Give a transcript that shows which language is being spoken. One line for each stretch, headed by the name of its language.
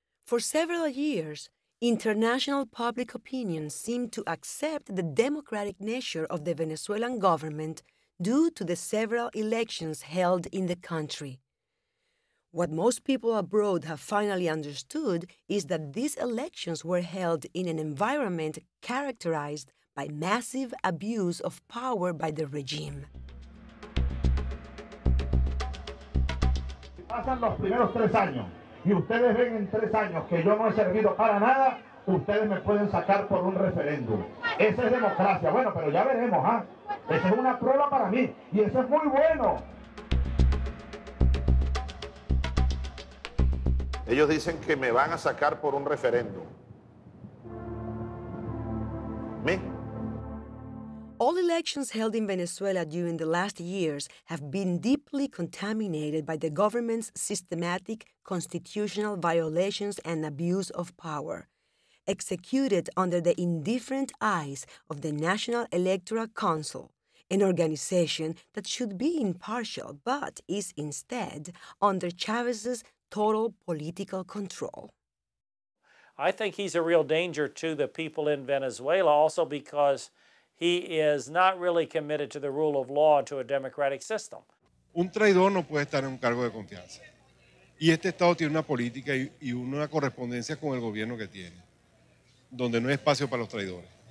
English: For several years, international public opinion seemed to accept the democratic nature of the Venezuelan government due to the several elections held in the country. What most people abroad have finally understood is that these elections were held in an environment characterized by massive abuse of power by the regime.
Spanish: Pasan los primeros 3 años y ustedes ven en 3 años que yo no he servido para nada, ustedes me pueden sacar por un referéndum. Esa es democracia. Bueno, pero ya veremos, ¿ah? Esa es una prueba para mí y eso es muy bueno. Ellos dicen que me van a sacar por un referéndum. ¿Me?
English: All elections held in Venezuela during the last years have been deeply contaminated by the government's systematic constitutional violations and abuse of power, executed under the indifferent eyes of the National Electoral Council, an organization that should be impartial but is instead under Chavez's total political control. I think he's a real danger to the people in Venezuela also because he is not really committed to the rule of law and to a democratic system.
Spanish: Un traidor no puede estar en un cargo de confianza. Y este Estado tiene una política y una correspondencia con el gobierno que tiene, donde no hay espacio para los traidores.